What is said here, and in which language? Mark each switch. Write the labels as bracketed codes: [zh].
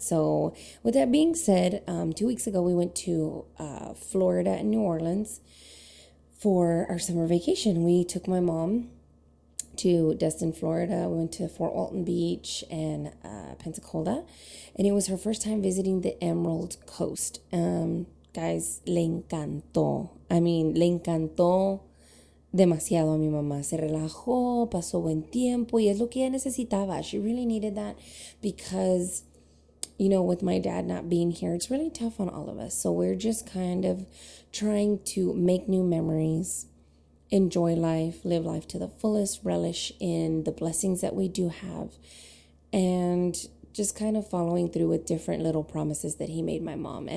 [en] So with that being said, 2 weeks ago, we went to Florida and New Orleans for our summer vacation. We took my mom to Destin, Florida. We went to Fort Walton Beach and Pensacola. And it was her first time visiting the Emerald Coast. [es] Guys, le encantó. [en] I mean, [es] le encantó demasiado a mi mamá. Se relajó, pasó buen tiempo, y es lo que ella necesitaba. [en] She really needed that because, you know, with my dad not being here, it's really tough on all of us. So we're just kind of trying to make new memories, enjoy life, live life to the fullest, relish in the blessings that we do have, and just kind of following through with different little promises that he made my mom.